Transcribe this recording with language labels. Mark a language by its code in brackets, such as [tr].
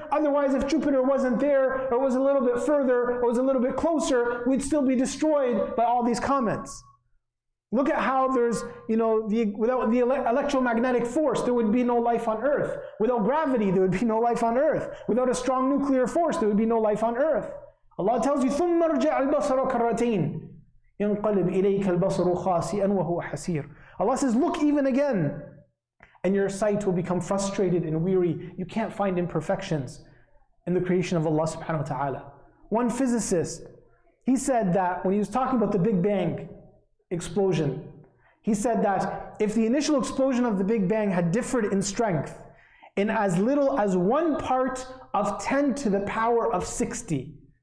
[en] Otherwise, if Jupiter wasn't there, or was a little bit further, or was a little bit closer, we'd still be destroyed by all these comets. Look at how there's, without the electromagnetic force, there would be no life on Earth. Without gravity, there would be no life on Earth. Without a strong nuclear force, there would be no life on Earth. Allah tells you, [ar] ثُمَّ رُجَعَ الْبَصَرَ كَرَّتَيْنِ يَنْقَلِبْ إِلَيْكَ الْبَصَرُ خَاسِئًا وَهُوَ حَسِيرٌ. [en] Allah says, look even again, and your sight will become frustrated and weary. You can't find imperfections in the creation of Allah subhanahu wa ta'ala. One physicist, he said that when he was talking about the Big Bang explosion, he said that if the initial explosion of the Big Bang had differed in strength in as little as one part of 10 to the power of 60,